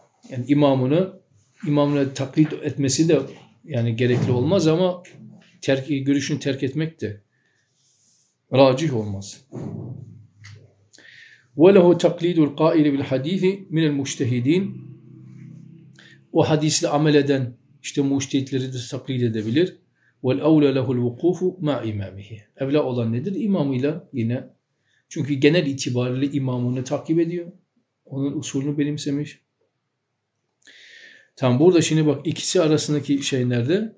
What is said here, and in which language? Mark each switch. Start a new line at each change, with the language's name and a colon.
Turkish: Yani imamını taklit etmesi de yani gerekli olmaz ama görüşünü terk etmek de racih olmaz.
Arabic: وَلَهُ تَقْلِيدُ الْقَائِلِ بِالْحَد۪يثِ مِنَ الْمُجْتَهِد۪ينَ
Turkish: O hadisle amel eden işte müçtehitleri de taklit edebilir.
Arabic: وَالْاَوْلَ لَهُ الْوُقُوفُ مَا اِمَامِهِ
Turkish: Evla olan nedir? İmamıyla yine. Çünkü genel itibariyle imamını takip ediyor. Onun usulünü benimsemiş. Tamam burada şimdi bak ikisi arasındaki şey nerede?